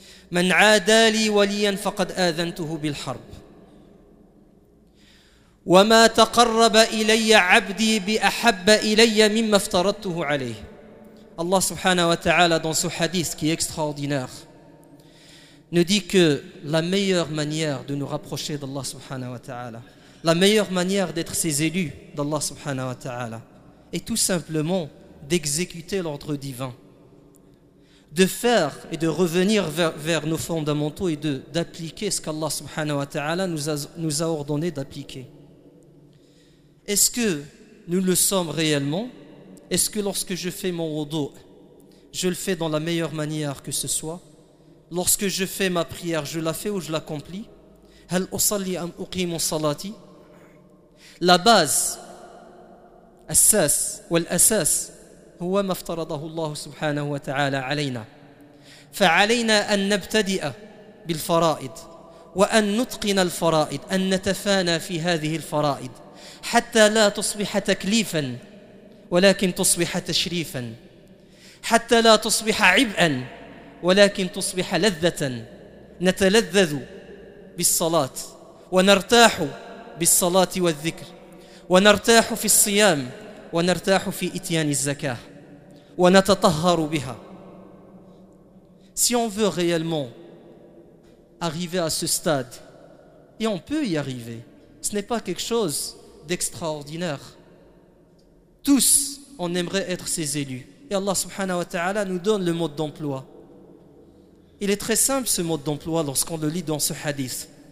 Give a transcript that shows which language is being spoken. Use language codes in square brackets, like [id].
[ar] من عادى لي وليا فقد آذنته بالحرب، وما تقرب إلي عبدي بأحب إلي مما افترضته عليه. [fr] Allah subhanahu wa ta'ala, dans ce hadith qui est extraordinaire, nous dit que la meilleure manière de nous rapprocher d'Allah subhanahu wa ta'ala, la meilleure manière d'être ses élus d'Allah subhanahu wa ta'ala, est tout simplement d'exécuter l'ordre divin, de faire et de revenir vers nos fondamentaux et d'appliquer ce qu'Allah subhanahu wa ta'ala nous a ordonné d'appliquer. Est-ce que nous le sommes réellement? Est-ce que lorsque je fais mon wudu, je le fais dans la meilleure manière que ce soit? Lorsque je fais ma prière, je la fais ou je l'accomplis? [ar] هل أصلي أم أقيم صلاتي؟ [fr] La base, [ar] أساس والأساس هو ما افترضه الله سبحانه وتعالى علينا. فعلينا أن نبتدئ بالفرائض وأن نتقن الفرائض، أن نتفانى في هذه الفرائض حتى لا تصبح تكليفا ولكن تصبح تشريفا، حتى لا تصبح عبئا ولكن تصبح لذة. نتلذذ بالصلاة ونرتاح بالصلاة والذكر، ونرتاح في الصيام، ونرتاح في إتيان الزكاة، ونتطهر بها. [fr] Si on veut réellement arriver à ce stade, et on peut y arriver, ce n'est pas quelque chose d'extraordinaire. Tous, on aimerait être ses élus. Et Allah subhanahu wa ta'ala nous donne le mode d'emploi. Il est très simple ce mode d'emploi lorsqu'on le lit dans ce hadith.